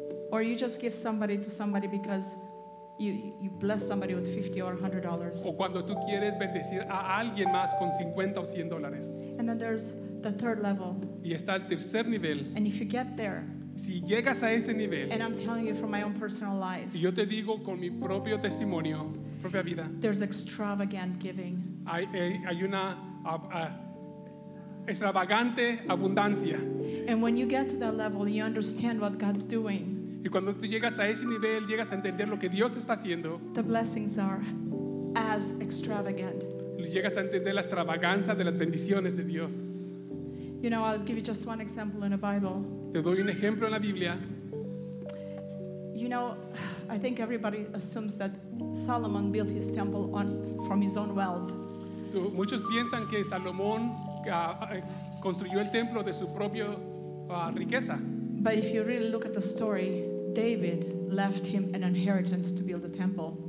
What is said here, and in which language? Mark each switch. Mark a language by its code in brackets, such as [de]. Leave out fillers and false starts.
[en] Or you just give somebody to somebody because you bless somebody with $50 or $100. [es] O cuando tú quieres bendecir a alguien más con $50 o $100. [en] And then there's the third level. [es] Y está el tercer nivel. [en] And if you get there. [es] Si llegas a ese nivel, [en] and I'm telling you from my own personal life. [es] Y yo te digo con mi propio testimonio, propia vida. [en] There's extravagant giving. [es] Hay una extravagante abundancia. [en] And when you get to that level, you understand what God's doing. [es] Y cuando tú llegas a ese nivel, llegas a entender lo que Dios está haciendo. [en] The blessings are as extravagant. [es] Llegas a entender la extravagancia de las bendiciones de Dios. [en] You know, I'll give you just one example in the Bible. [es] Te doy un ejemplo en la Biblia. [en] You know, I think everybody assumes that Solomon built his temple on from his own wealth. [es] Muchos piensan que Salomón construyó el templo de su propio riqueza. [en] But if you really look at the story, David left him an inheritance to build the temple.